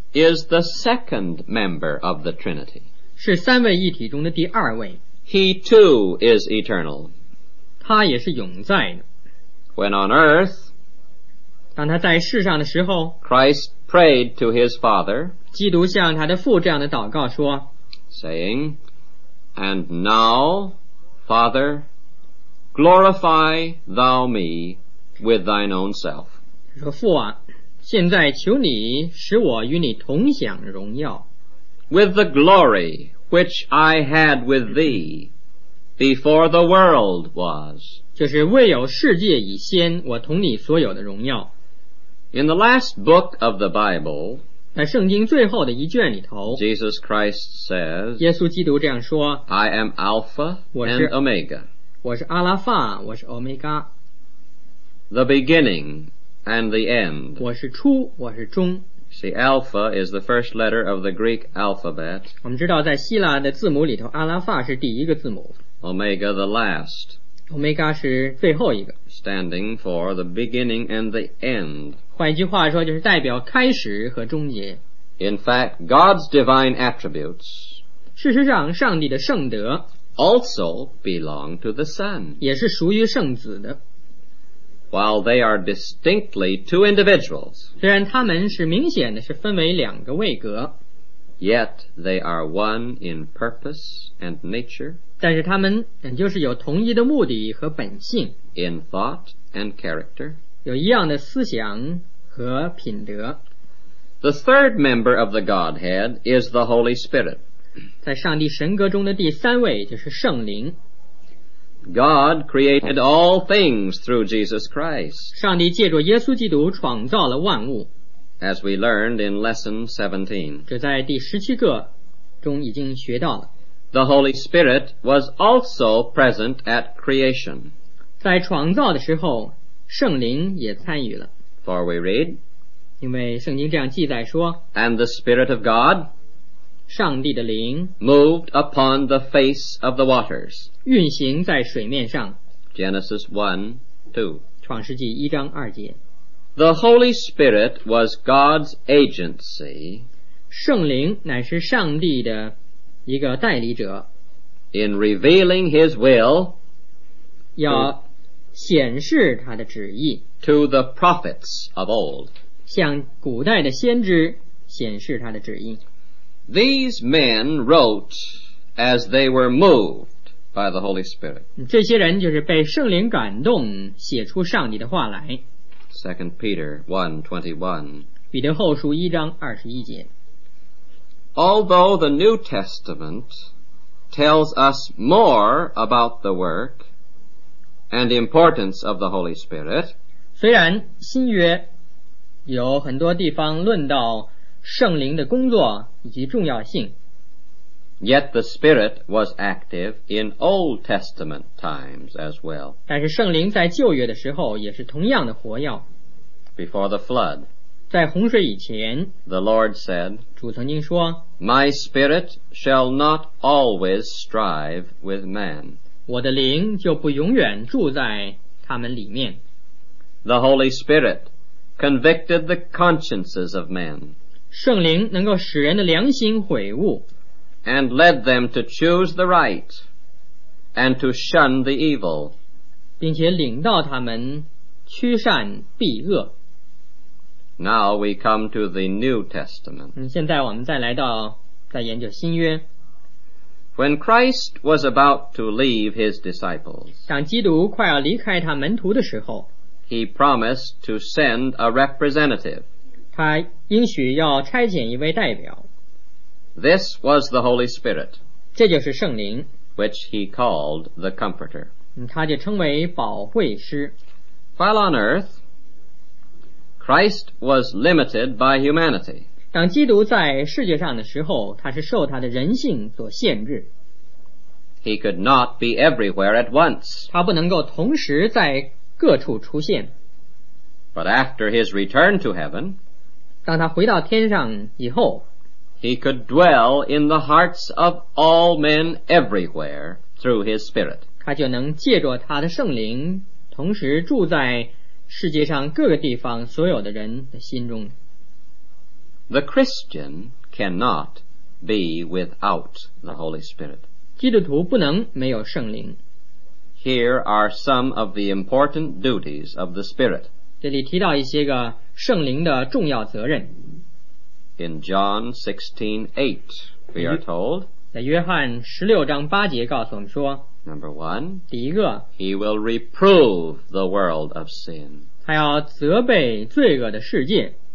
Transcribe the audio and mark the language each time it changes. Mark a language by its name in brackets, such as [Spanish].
[English] is the second member of the Trinity. [Chinese] 是三位一体中的第二位。 [English] He too is eternal. [Chinese] 他也是永在的。 [English] When on earth, [Chinese] 当他在世上的时候， [English] Christ prayed to his father, [Chinese] 基督向他的父这样的祷告说， [English] saying, And now, Father, glorify thou me with thine own self. [Chinese] 说父啊，现在求你使我与你同享荣耀。 [English] With the glory which I had with thee before the world was. [Chinese] 就是未有世界以先我同你所有的荣耀。 [English] In the last book of the Bible, [Chinese] 在圣经最后的一卷里头， [English] Jesus Christ says, [Chinese] 耶稣基督这样说， [English] I am Alpha and Omega. [Chinese] 我是阿拉法，我是 Omega。 [English] The beginning and the end. [Chinese] 我是初，我是终。 [English] See, Alpha is the first letter of the Greek alphabet. [Chinese] 我们知道在希腊的字母里头，阿拉法是第一个字母。 [English] Omega, the last. [Chinese] Omega 是最后一个。 [English] Standing for the beginning and the end. [Chinese] 换一句话说，就是代表开始和终结。 [English] In fact, God's divine attributes. [Chinese] 事实上，上帝的圣德 [English] also belong to the Son. [Chinese] 也是属于圣子的。 [English] While they are distinctly two individuals, [Chinese] 虽然他们是明显的是分为两个位格， [English] yet they are one in purpose and nature, [Chinese] 但是他们就是有同一的目的和本性， [English] in thought and character, [Chinese] 有一样的思想和品德。 [English] The third member of the Godhead is the Holy Spirit, [Chinese] 在上帝神格中的第三位就是圣灵。 [English] God created all things through Jesus Christ. [Chinese] 上帝借着耶稣基督创造了万物。 [English] As we learned in lesson 17. [Chinese] 这在第十七课中已经学到了。 [English] The Holy Spirit was also present at creation. [Chinese] 在创造的时候，圣灵也参与了。 [English] For we read. [Chinese] 因为圣经这样记载说。 [English] And the Spirit of God. [Chinese] 上帝的灵 [English] moved upon the face of the waters, [Chinese] 运行在水面上。 [English] Genesis 1:2, [Chinese] 创世纪一章二节。 [English] The Holy Spirit was God's agency, [Chinese] 圣灵乃是上帝的一个代理者。 [English] In revealing His will, [Chinese] 要显示他的旨意。 [English] To the prophets of old, [Chinese] 向古代的先知显示他的旨意。 [English] These men wrote as they were moved by the Holy Spirit. [Chinese] 这些人就是被圣灵感动写出上帝的话来。 [English] 2 Peter 1:21. [Chinese] 彼得后书一章二十一节。 [English] Although the New Testament tells us more about the work and importance of the Holy Spirit, [Chinese] 虽然新约有很多地方论到圣灵的工作以及重要性， [English] Yet the Spirit was active in Old Testament times as well. [Chinese] 但是圣灵在旧约的时候也是同样的活跃。 [English] Before the flood, [Chinese] 在洪水以前， [English] The Lord said, [Chinese] 主曾经说， [English] My Spirit shall not always strive with man. [Chinese] 我的灵就不永远住在他们里面。 [English] The Holy Spirit convicted the consciences of men. [Chinese] 圣灵能够使人的良心悔悟， [English] and led them to choose the right and to shun the evil， [Chinese] 并且领导他们趋善避恶。 [English] Now we come to the New Testament， [Chinese] 现在我们再来到再研究新约。 [English] When Christ was about to leave his disciples， [Chinese] 当基督快要离开他门徒的时候， [English] he promised to send a representative， [Chinese] 他应许要差遣一位代表。 [English] This was the Holy Spirit, [Chinese] 这就是圣灵， [English] which he called the Comforter, [Chinese] 他就称为保惠师。 [English] While on earth, Christ was limited by humanity, [Chinese] 当基督在世界上的时候，他是受他的人性所限制。 [English] He could not be everywhere at once, [Chinese] 他不能够同时在各处出现。 [English] But after his return to heaven, [Chinese] 当他回到天上以后， [English] He could dwell in the hearts of all men everywhere through his spirit. [Chinese] 他就能借着他的圣灵同时住在世界上各个地方所有的人的心中。 [English] The Christian cannot be without the Holy Spirit. [Chinese] 基督徒不能没有圣灵。 [English] Here are some of the important duties of the Spirit. [Chinese] 这里提到一些个圣灵的重要责任。 [English] In John 16:8, we are told. [Chinese] 在约翰十六章八节告诉我们说。 [English] Number one. [Chinese] 第一个。 [English] He will reprove the world of sin. [Chinese] 他要责备罪恶的世界。